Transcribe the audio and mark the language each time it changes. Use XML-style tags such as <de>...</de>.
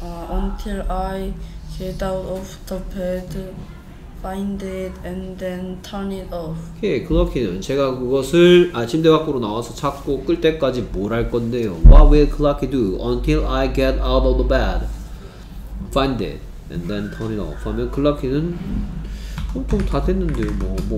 <en>Until I get out of the bed, find it, and then turn it off.</en> <ko>오케이, 클라키는 제가 그것을 침대 밖으로 나와서 찾고 끌 때까지 뭘 할 건데요?</ko> <en>What will Clarky do until I get out of the bed, find it, and then turn it off?</en> <ko>하면 클라키는 보통 다 됐는데 뭐.</ko>